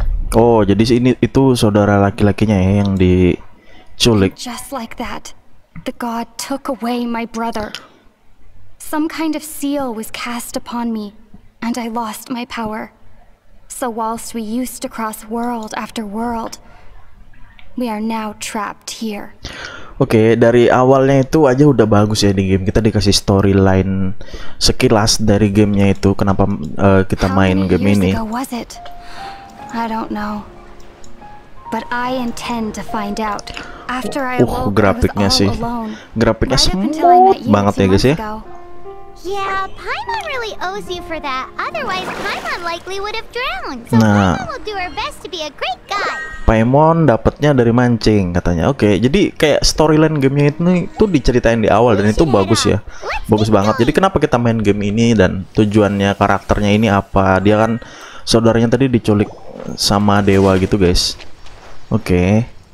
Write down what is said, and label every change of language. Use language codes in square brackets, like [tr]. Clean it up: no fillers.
[id] Oh, jadi ini itu saudara laki-lakinya ya yang diculik. [en] Just like that, the god took away my brother. Some kind of seal was cast upon me, and I lost my power. So whilst we used to cross world after world, we are now trapped here. [id] Oke, dari awalnya itu aja udah bagus ya di game. Kita dikasih storyline sekilas dari gamenya itu. Kenapa kita main game ini? [en] I don't know. But I intend to find out. After I woke, [id] grafiknya sih. Grafiknya smooth banget ya guys ya. [en] Yeah, Paimon really owes you for that. Otherwise, Paimon likely would have drowned. So nah, Paimon will do her best to be a great guy. [id] Paimon dapatnya dari mancing katanya. Oke, jadi kayak storyline gamenya itu diceritain di awal dan itu bagus ya. Bagus banget. Jadi kenapa kita main game ini dan tujuannya karakternya ini apa? Dia kan saudaranya tadi diculik sama dewa gitu, guys. Oke.